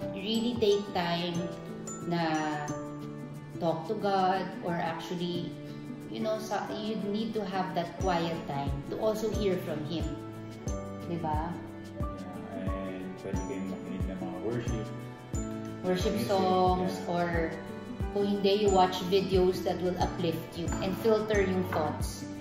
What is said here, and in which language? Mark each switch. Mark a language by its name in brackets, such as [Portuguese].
[English] Really take time na talk to God or actually, you know, you need to have that quiet time to also hear from Him. [Filipino] Diba? And pwede kayong makinig ng mga worship. [English] Worship songs or [Filipino] kung hindi, [English] you watch videos that will uplift you and filter yung thoughts.